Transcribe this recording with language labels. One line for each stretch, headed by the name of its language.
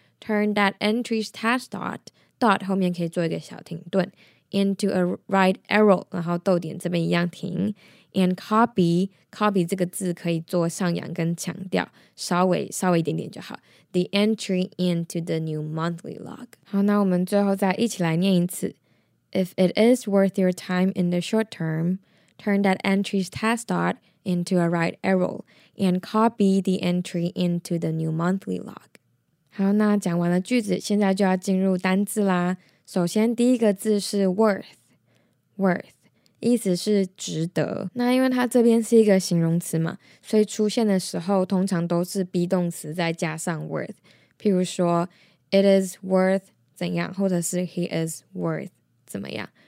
English: Turn that entry's test dot, dot
Chinese: 后面可以做一个小停顿。
English: Into a right arrow,
Chinese: 然后逗点这边一样停。
English: And copy, copy
Chinese: 这个字可以做上扬跟强调，稍微一点点就好。
English: The entry into the new monthly log.
Chinese: 好，那我们最后再一起来念一次。
English: If it is worth your time in the short term, turn that entry's test dot into a right arrow and copy the entry into the new monthly log.
Chinese: 好，那讲完了句子，现在就要进入单字啦。首先第一个字是 worth。意思是值得，那因为它这边是一个形容词嘛，所以出现的时候通常都是 be 动词再加上 worth， 譬如说
English: it is worth
Chinese: 怎样，或者是
English: he is worth
Chinese: 怎么样。